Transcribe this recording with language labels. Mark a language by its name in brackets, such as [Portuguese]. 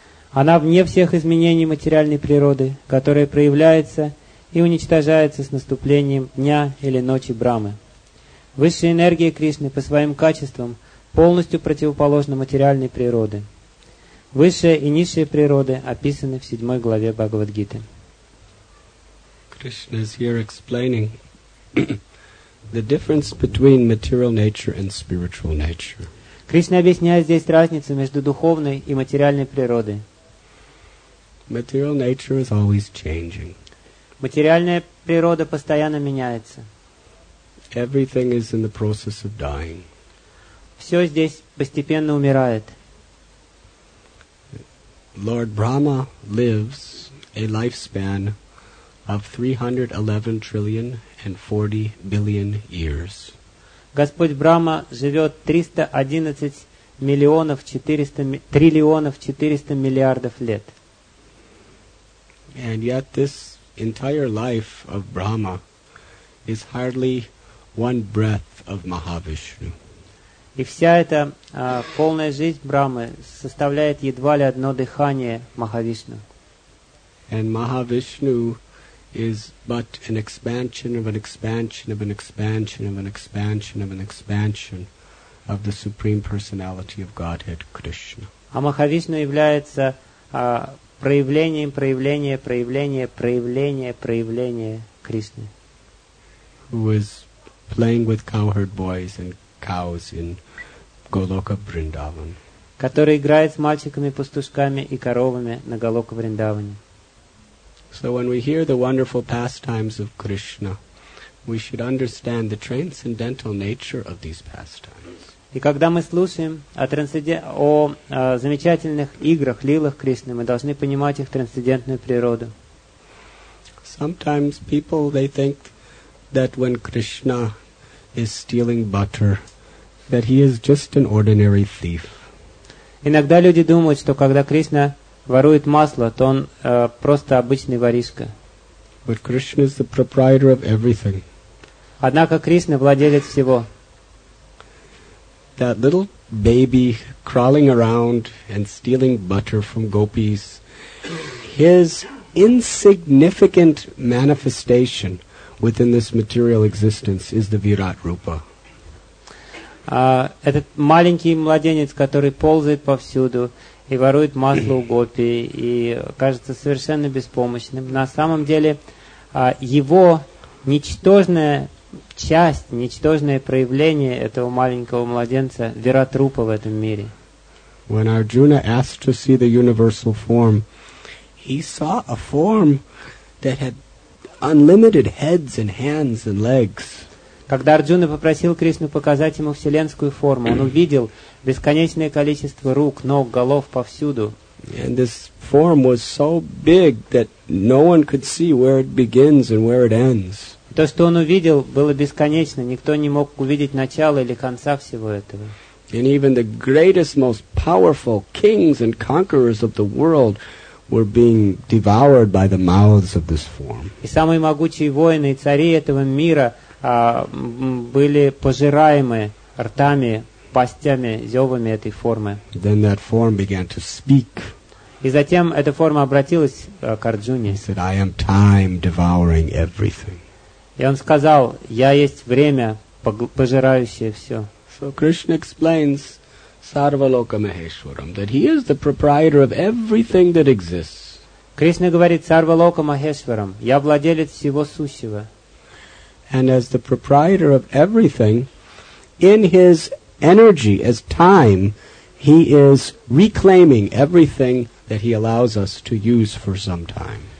[Russian] Она вне всех изменений материальной природы, которая проявляется и уничтожается с наступлением дня или ночи Брахмы. Высшая энергия Кришны по своим качествам полностью противоположна материальной природе. Высшая и низшая природы описаны в 7 главе Бхагавад-гиты. [English] Krishna is here explaining the difference between material nature and spiritual nature. [Russian] Кришна объясняет здесь разницу между духовной и материальной природой. [English] Material nature is always changing. [Russian] Материальная природа постоянно меняется. [English] Everything is in the process of dying. [Russian] Все здесь постепенно умирает. [English] Lord Brahma lives a lifespan of 311 trillion and 40 billion years. [Russian] Господь Брахма живет 311 миллионов 400 триллионов 400 миллиардов лет. [English] And yet this entire life of Brahma is hardly one breath of Mahavishnu. [Russian] И вся эта полная жизнь Брахмы составляет едва ли одно дыхание Махавишну. [English] And Mahavishnu is but an expansion of an expansion of an expansion of an expansion of an expansion of the Supreme Personality of Godhead, Krishna. [Russian] А Махавишну является проявлением, проявление, проявление, проявление, проявление Кришны. [English] Who is playing with cowherd boys and cows in Goloka Vrindavan. [Russian] Который играет с мальчиками-пастушками и коровами на Голока Вриндаване. [English] So when we hear the wonderful pastimes of Krishna, we should understand the transcendental nature of these pastimes. [Russian] И когда мы слушаем о замечательных играх, лилах Кришны, мы должны понимать их трансцендентную природу. [English] Sometimes people, they think that when Krishna is stealing butter, that he is just an ordinary thief. [Russian] Иногда люди думают, что когда Кришна ворует масло, то он просто обычный воришка. [English] But Krishna is the proprietor of everything. [Russian] Однако Кришна владелец всего. [English] That little baby crawling around and stealing butter from gopis, his insignificant manifestation within this material existence is the Virat Rupa. [Russian] Этот маленький младенец, который ползает повсюду и ворует масло у гопи и кажется совершенно беспомощным, на самом деле его ничтожная часть, ничтожное проявление этого маленького младенца Вератрупа в этом мире. [English] When Arjuna asked to see the universal form, he saw a form that had unlimited heads and hands and legs. [Russian] Когда Арджуна попросил Кришну показать ему вселенскую форму, он увидел бесконечное количество рук, ног, голов повсюду. [English] And this form was so big that no one could see where it begins and where it ends. [Russian] То, что он увидел, было бесконечно. Никто не мог увидеть начало или конца всего этого. [English] And even the greatest, most powerful kings and conquerors of the world were being devoured by the mouths of this form. [Russian] И самые могучие воины и цари этого мира были пожираемы ртами, пастями, зевами этой формы. [English] Then that form began to speak. [Russian] И затем эта форма обратилась к Арджуне. [English] He said, "I am time devouring everything." [Russian] И он сказал, "Я есть время, пожирающее все." [English] So Krishna explains Sarvaloka Maheshwaram that he is the proprietor of everything that exists. [Russian] Кришна говорит Сарвалока Махешварам, я владелец всего сущего. [English] And as the proprietor of everything, in his energy, as time, he is reclaiming everything that he allows us to use for some time.